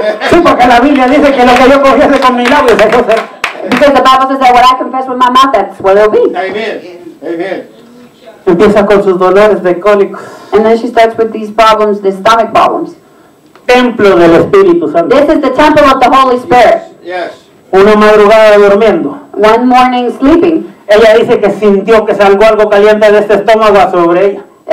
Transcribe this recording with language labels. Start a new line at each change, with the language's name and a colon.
Spanish: Sí, porque la Biblia dice que lo que yo confiese con mis labios, eso es.
English: Because the Bible says that what I confess with my mouth, that's what it'll be. Amen. Amen.
Spanish: Empieza con sus dolores de cólicos.
English: And then she starts with these problems, the stomach problems.
Spanish: Templo del Espíritu Santo.
English: This is the temple of the Holy Spirit. Yes. Yes.
Spanish: Una madrugada durmiendo.
English: One morning sleeping.
Spanish: Ella dice que sintió que salió algo caliente de este estómago sobre ella.